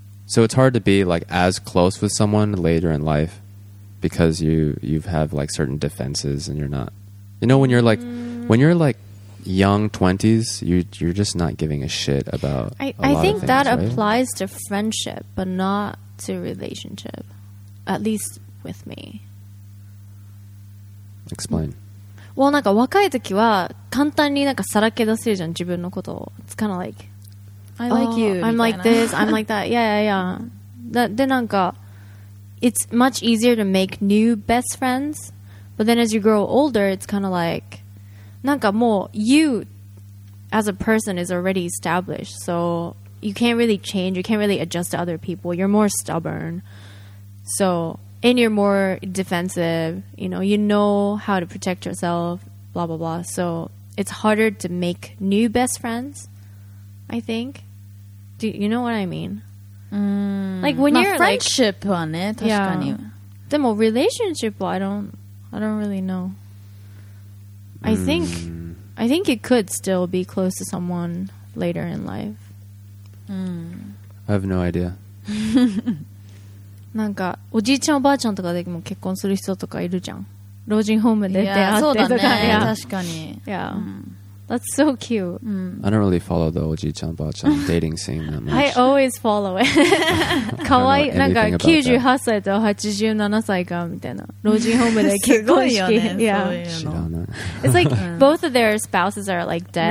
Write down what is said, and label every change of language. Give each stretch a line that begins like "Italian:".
English: So it's hard to be like as close with someone later in life because you have like certain defenses and you're not. You know, when you're like, when you're like,young 20s, you're just not giving a shit about I think applies to friendship but not to relationship, at least with me. Explain.
Japanese: Well, なんか若い時は簡単になんかさらけ出せるじゃん自分のことを。
English: It's kind of like I like you, I'm like this, I'm like that. Yeah.
Japanese: でなんか
English: it's much easier to make new best friends, but then as you grow older, it's kind of like
Japanese: なんかもう
English: you as a person is already established, so you can't really change, you can't really adjust to other people, you're more stubborn, so and you're more defensive, you know how to protect yourself, blah blah blah, so it's harder to make new best friends, I think. Do you know what I mean? Like when you're friendship like, on it, yeah.
Japanese: でも
English: relationship, I don't really know. I think it could still be close to someone later in life. I have no idea.
Japanese: なんかおじいちゃんおばあちゃんとかでも結婚する人とかいるじゃん。老人ホームで出会ってとか、ね、
English: yeah.
Japanese: 確かに。
English: Yeah. That's so cute. I don't really follow the oji-chan ba-chan dating scene that much. I always follow it.
Japanese: Kawaii, なんか98 歳と87歳かみたいな。老人ホームで結婚式。
English: Yeah. It's like both of their spouses are like dead.